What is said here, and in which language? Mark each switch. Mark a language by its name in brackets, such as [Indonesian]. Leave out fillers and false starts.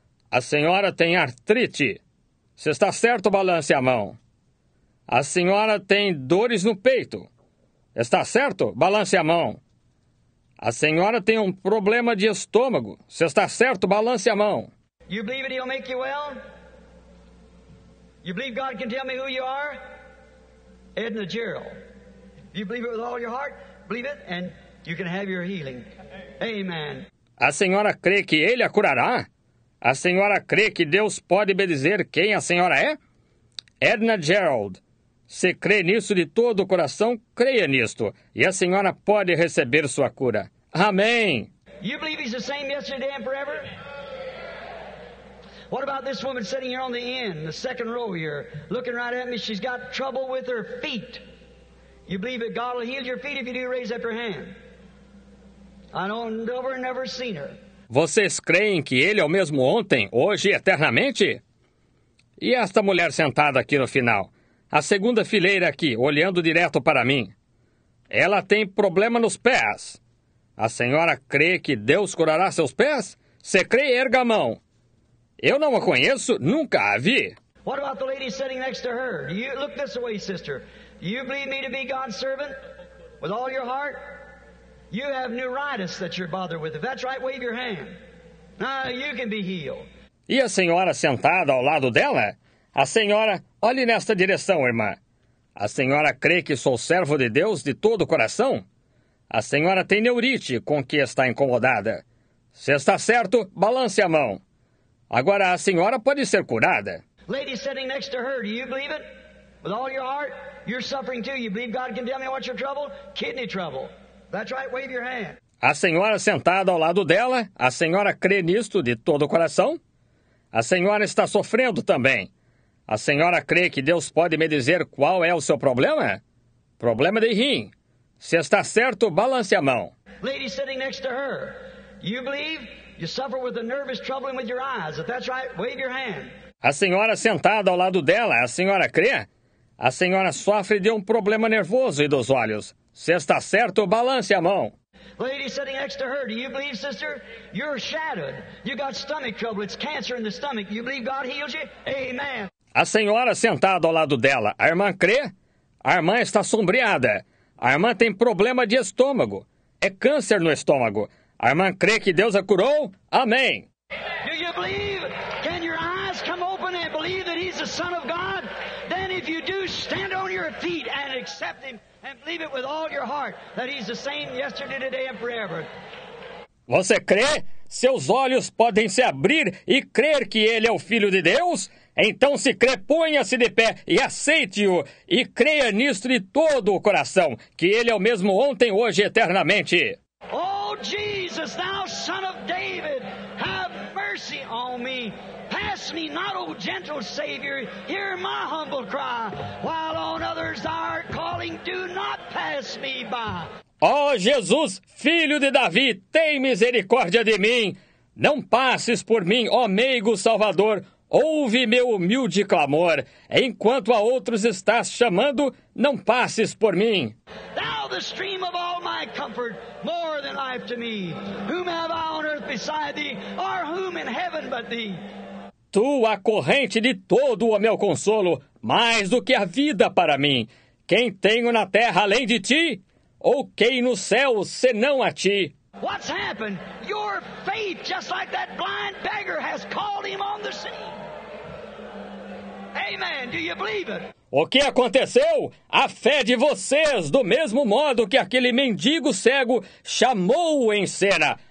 [Portuguese] A senhora tem artrite. Se está certo, balance a mão. A senhora tem dores no peito. Está certo? Balance a mão. A senhora tem um problema de estômago. Se está certo, balance a mão. [English] You believe it, he'll make you well? You believe God can tell me who you are? Edna Gerald. You believe it with all your heart? Believe it, and you can have your healing. Amen. [Portuguese] A senhora crê que ele a curará? A senhora crê que Deus pode me dizer quem a senhora é? Edna Gerald. Se crê nisso de todo o coração, creia nisto. E a senhora pode receber sua cura. Amen. [English] You believe he's the same yesterday and forever? What about this woman sitting here on the end, the second row here, looking right at me? She's got trouble with her feet. You believe that God will heal your feet if you do? Raise up your hand. I don't ever, never seen her. [Portuguese] Vocês creem que ele é o mesmo ontem, hoje e eternamente? E esta mulher sentada aqui no final, a segunda fileira aqui, olhando direto para mim? Ela tem problema nos pés. A senhora crê que Deus curará seus pés? Você crê? Erga a mão. Eu não a conheço, nunca a vi. [English] What about the lady sitting next to her? You look this way, sister. You believe me to be God's servant with all your heart? You have neuritis that you're bothered with. If that's right, wave your hand. Now you can be healed. [Portuguese] E a senhora sentada ao lado dela? A senhora, olhe nesta direção, irmã. A senhora crê que sou servo de Deus de todo o coração? A senhora tem neurite com que está incomodada. Se está certo, balance a mão. Agora a senhora pode ser curada. [English] Lady sitting next to her, do you believe it? With all your heart, you're suffering too. You believe God can tell me what's your trouble? Kidney trouble. That's right, wave your hand. [Portuguese] A senhora sentada ao lado dela, a senhora crê nisto de todo o coração? A senhora está sofrendo também. A senhora crê que Deus pode me dizer qual é o seu problema? Problema de rim. Se está certo, balance a mão. [English] Lady sitting next to her, you believe you suffer with a nervous trouble with your eyes? If that's right, wave your hand. [Portuguese] A senhora sentada ao lado dela, a senhora crê? A senhora sofre de um problema nervoso e dos olhos. Se está certo, balance a mão. [English] Lady sitting next to her, do you believe, sister? You're shattered. You got stomach trouble. It's cancer in the stomach. You believe God heals you? Amen. [Portuguese] A senhora sentada ao lado dela, a irmã crê? A irmã está sombreada. A irmã tem problema de estômago. É câncer no estômago. A irmã crê que Deus a curou? Amém. [English] Do you believe? Can your eyes come open and believe that he's the Son of God? Then if you do, stand on your feet and accept him. And believe it with all your heart that he's the same yesterday, today and forever. [Portuguese] Você crê? Seus olhos podem se abrir e crer que ele é o Filho de Deus? Então se crê, ponha-se de pé e aceite-o. E creia nisto de todo o coração, que ele é o mesmo ontem, hoje e eternamente. [English] Oh, Jesus, thou son of David, have mercy on me. Pass me not, O gentle Savior, hear my humble cry. While on others thou art calling, do not pass me by. [Portuguese] Ó Jesus, Filho de Davi, tem misericórdia de mim. Não passes por mim, ó meigo Salvador. Ouve meu humilde clamor. Enquanto a outros estás chamando, não passes por mim. [English] Thou the stream of all my comfort, more than life to me. Whom have I on earth beside thee, or whom in heaven but thee? [Portuguese] Tu a corrente de todo o meu consolo, mais do que a vida para mim. Quem tenho na terra além de ti? Ou quem no céu senão a ti? [English] What's happened? Your faith, just like that blind beggar, has called him on the scene. Amen. Do you believe it? [Portuguese] O que aconteceu? A fé de vocês, do mesmo modo que aquele mendigo cego chamou-o em cena.